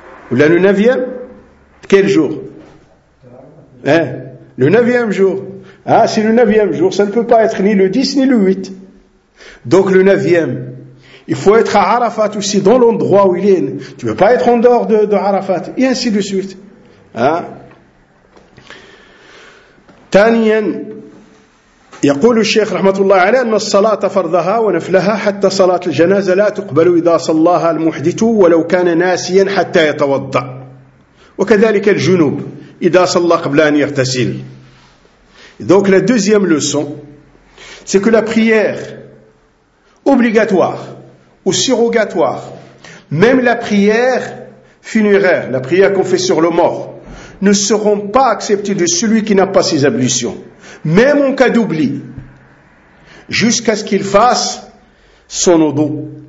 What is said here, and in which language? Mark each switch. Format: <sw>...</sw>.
<fr>Ou là, le 9e, quel jour? Hein? Le 9e jour. Ah, c'est le 9e jour, ça ne peut pas être ni le 10 ni le 8. Donc le 9e, il faut être à Arafat aussi, dans l'endroit où il est. Tu ne peux pas être en dehors de Arafat, et ainsi de suite. Hein?</fr> <ar>ثانيا يقول الشيخ رحمة الله عليه أن الصلاة فرضها ونفلها حتى صلاة الجنازة لا تقبل إذا صلاها المحدث ولو كان ناسيا حتى يتوضأ وكذلك الجنوب إذا صلى قبل أن يغتسل.</ar> <fr>Donc la deuxième leçon, c'est que la prière obligatoire ou surrogatoire, même la prière funéraire, la prière qu'on fait sur le mort, ne seront pas acceptés de celui qui n'a pas ses ablutions, même en cas d'oubli, jusqu'à ce qu'il fasse son wudu.</fr>